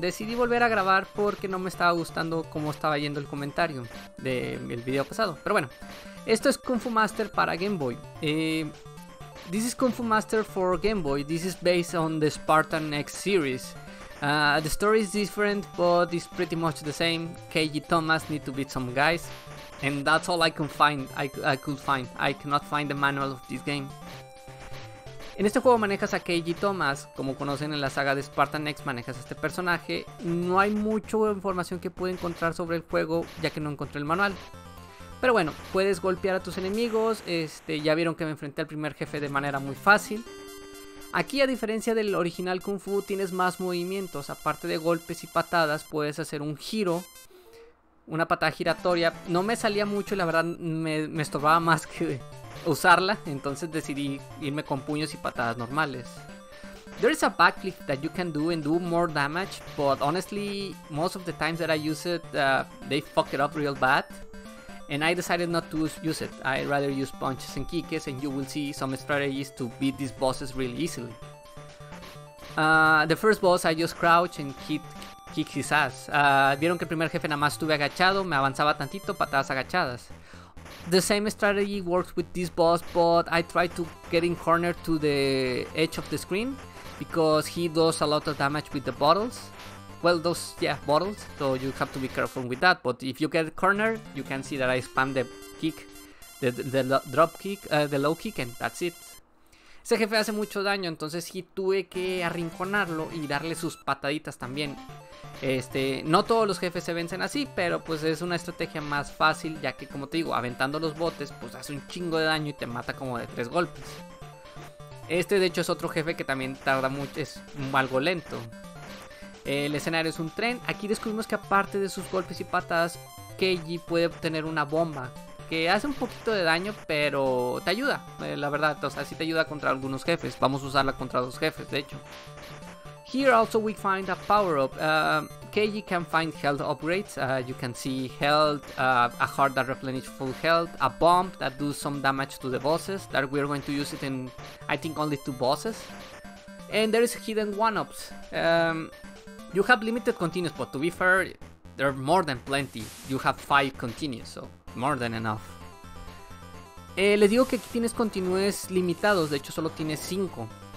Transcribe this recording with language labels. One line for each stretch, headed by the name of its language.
Spanish: Decidí volver a grabar porque no me estaba gustando cómo estaba yendo el comentario del video pasado. Pero bueno, esto es Kung Fu Master para Game Boy.
English: This is Kung Fu Master for Game Boy. This is based on the Spartan X series. The story is different, but it's pretty much the same. Keiji Thomas need to beat some guys. And that's all I can find. I could find. I cannot find the manual of this game.
Spanish: En este juego manejas a Keiji Thomas. Como conocen en la saga de Spartan X, manejas a este personaje. No hay mucha información que pude encontrar sobre el juego, ya que no encontré el manual. Pero bueno, puedes golpear a tus enemigos. Ya vieron que me enfrenté al primer jefe de manera muy fácil. Aquí, a diferencia del original Kung Fu, tienes más movimientos. Aparte de golpes y patadas, puedes hacer un giro. Una patada giratoria. No me salía mucho y la verdad me estorbaba más que usarla. Entonces decidí irme con puños y patadas normales.
English: There is a backflip that you can do and do more damage. But honestly, most of the times that I use it, they fuck it up real bad. And I decided not to use it. I'd rather use punches and kicks. And you will see some strategies to beat these bosses really easily. The first boss, I just crouch and kick his ass.
Spanish: Vieron que el primer jefe nada más estuve agachado, me avanzaba tantito, patadas agachadas.
English: The same strategy works with this boss, but I try to get in corner to the edge of the screen because he does a lot of damage with the bottles. Well, those, yeah, bottles, so you have to be careful with that, but if you get a corner, you can see that I spam the kick, the low kick, and that's it.
Spanish: Ese jefe hace mucho daño, entonces sí tuve que arrinconarlo y darle sus pataditas también. No todos los jefes se vencen así, pero pues es una estrategia más fácil, ya que, como te digo, aventando los botes, pues hace un chingo de daño y te mata como de 3 golpes. Este, de hecho, es otro jefe que también tarda mucho, es algo lento. El escenario es un tren. Aquí descubrimos que, aparte de sus golpes y patadas, Keiji puede obtener una bomba que hace un poquito de daño, pero te ayuda, la verdad. O sea, sí te ayuda contra algunos jefes. Vamos a usarla contra dos jefes, de hecho.
English: Here also we find a power-up. Keiji can find health upgrades. You can see health, a heart that replenishes full health, a bomb that does some damage to the bosses. That we are going to use it in, I think, only 2 bosses. And there is hidden one-ups. You have limited continues, but to be fair, there are more than plenty. You have 5 continues, so more than enough.
Spanish: Les digo que aquí tienes continues limitados, de hecho solo tienes 5.